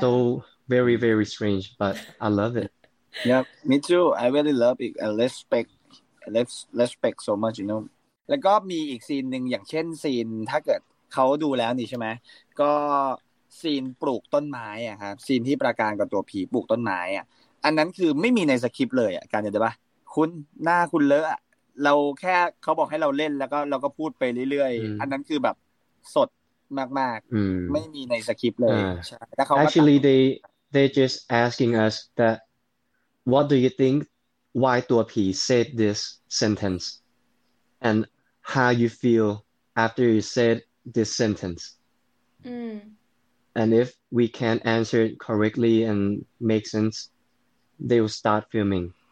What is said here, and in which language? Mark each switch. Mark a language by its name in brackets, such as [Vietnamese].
[English] So very, very strange, but I love it. Yeah, me too. I really love it. I respect so much, you know. [Thai] แล้วก็มีอีกซีนหนึ่งอย่างเช่นซีนถ้าเกิดเขาดูแล้วนี่ใช่ไหมก็ซีนปลูกต้นไม้อ่ะครับซีนที่ประการกับตัวผีปลูกต้นไม้อ่ะอันนั้นคือไม่มีในสคริปต์เลยอ่ะการจะได้ปะคุณหน้าคุณเลอะเราแค่เขาบอกให้เราเล่นแล้วก็เราก็พูดไปเรื่อยๆอันนั้นคือแบบสดมากๆไม่มีในสคริปต์เลยใช่แล้วเขา [English] actually they just asking us that what do you think why ตัวผี said this sentence andhow you feel after you said this sentence. And if we can't answer it correctly and make sense, they will start filming.